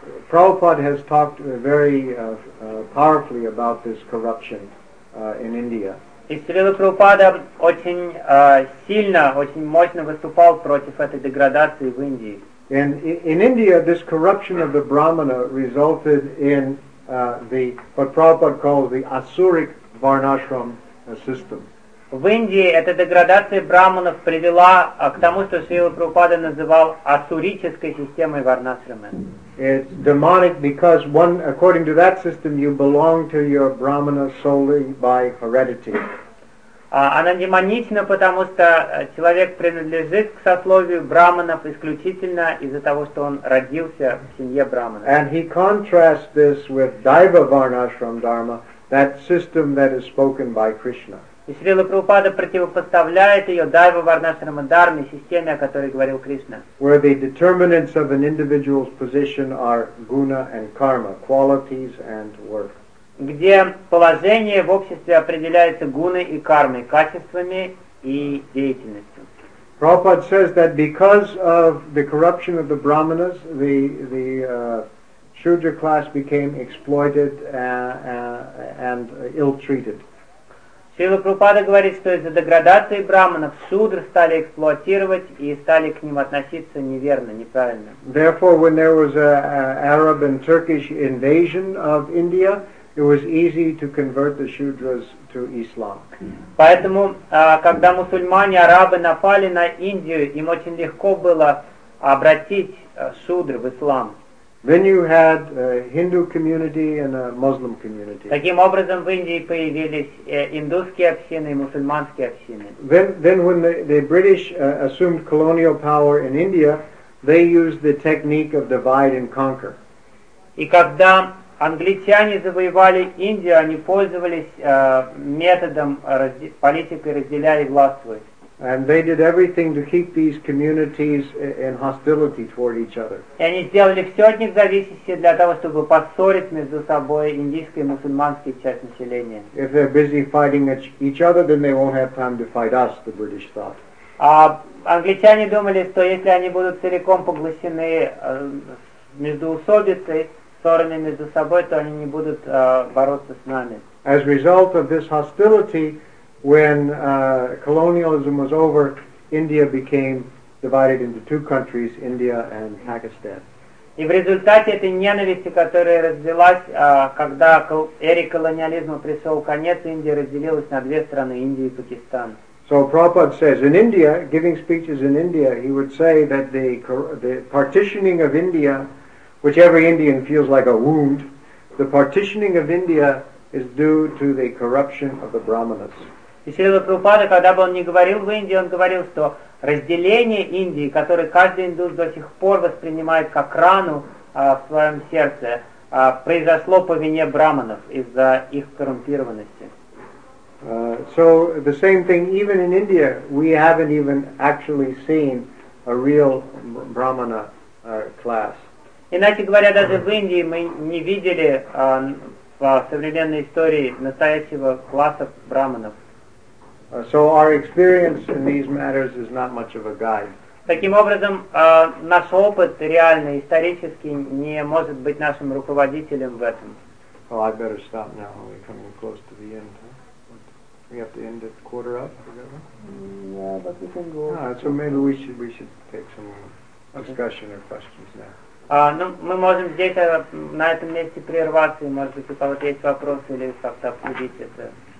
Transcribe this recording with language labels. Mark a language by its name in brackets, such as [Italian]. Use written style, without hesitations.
[English] Prabhupada has talked very powerfully about this corruption in India. [Russian] И Шрила Прабхупада очень сильно, очень мощно выступал против этой деградации в Индии. [English] In India, this corruption of the brahmana resulted in what Prabhupada calls the asuric varnashram system. [Russian] В Индии эта деградация брахманов привела к тому, что Шрила Прабхупада называл асурической системой варнашрама. [English] It's demonic because one, according to that system, you belong to your brahmana solely by heredity. [Russian] Она демонична, потому что человек принадлежит к сословию брахманов исключительно из-за того, что он родился в семье брахмана. [English] And he contrasts this with Daiva Varnashram Dharma, that system that is spoken by Krishna. [Russian] И Шрила Прабхупада противопоставляет ее Дайва Варнашрама Дарме, системе, о которой говорил Кришна. [English] Where the determinants of an individual's position are guna and karma, qualities and work. [Russian] Где положение в обществе определяется гуной и кармой, качествами и деятельностью. [English] Prabhupada says that because of the corruption of the brahmanas, the shudra class became exploited and ill-treated. [Russian] Шрила Прабхупада говорит, что из-за деградации брахманов шудры стали эксплуатировать и стали к ним относиться неверно, неправильно. [English] Therefore, when there was an Arab and Turkish invasion of India, it was easy to convert the shudras to Islam. [Russian] Поэтому, когда мусульмане, арабы напали на Индию, им очень легко было обратить шудр в ислам. [English] Then you had a Hindu community and a Muslim community. [Russian] Таким образом, в Индии появились индусские общины и мусульманские общины. [English] Then when the British assumed colonial power in India, they used the technique of divide and conquer. [Russian] И когда англичане завоевали Индию, они пользовались методом политикой разделяй и властвуй. [English] And they did everything to keep these communities in hostility toward each other. [Russian] И они сделали все от независимости для того, чтобы поссорить между собой индийскую и мусульманскую часть населения. [English] If they're busy fighting each other, then they won't have time to fight us, the British thought. [Russian] А англичане думали, что если они будут целиком поглощены междоусобицей, ссорами между собой, то они не будут бороться с нами. [English] As a result of this hostility, when colonialism was over, India became divided into two countries, India and Pakistan. [Russian] И в результате этой ненависти, которая развелась, когда эре колониализма пришел конец, Индия разделилась на две страны, Индия и Пакистан. [English] So Prabhupada says, in India, giving speeches in India, he would say that the partitioning of India, which every Indian feels like a wound, the partitioning of India is due to the corruption of the Brahmanas. [Russian] И Шрила Прабхупада, когда бы он ни говорил в Индии, он говорил, что разделение Индии, которое каждый индус до сих пор воспринимает как рану в своем сердце, произошло по вине брахманов из-за их коррумпированности. [English] So the same thing, even in India, we haven't even actually seen a real brahmana class. [Russian] Иначе говоря, даже в Индии мы не видели в современной истории настоящего класса брахманов. [English] So our experience in these matters is not much of a guide. [Russian] Таким образом, наш опыт реальный, исторический, не может быть нашим руководителем в этом. [English] Oh, I better stop now. We're coming close to the end. Huh? We have to end at quarter up. Yeah, but we can go. So maybe we should take some discussion or questions now. [Russian] Ну, мы можем здесь на этом месте прерваться, и может быть у кого-то есть вопросы или как-то обсудить это.